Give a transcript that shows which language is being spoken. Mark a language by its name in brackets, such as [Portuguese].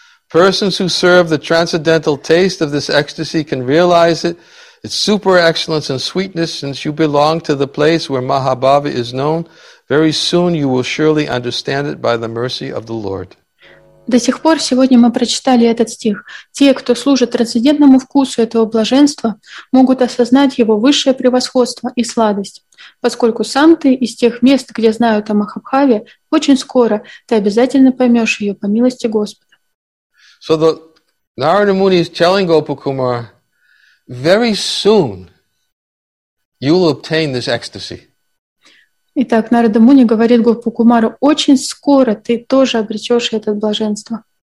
[English] Persons who serve the transcendental taste of this ecstasy can realize it, its super excellence and sweetness, since you belong to the place where Mahabhava is known. Very soon you will surely understand it by the mercy of the Lord. [Russian] До сих пор сегодня мы прочитали этот стих. Те, кто служит трансцендентному вкусу этого блаженства, могут осознать его высшее превосходство и сладость. Поскольку сам ты из тех мест, где знают о Махабхаве, очень скоро ты обязательно поймешь ее по милости Господа. [English] So Narada Muni is telling Gopakumara very soon you will obtain this ecstasy. [Russian] Итак, Нарада Муни говорит Гопу Кумару, очень скоро ты тоже обретешь это блаженство.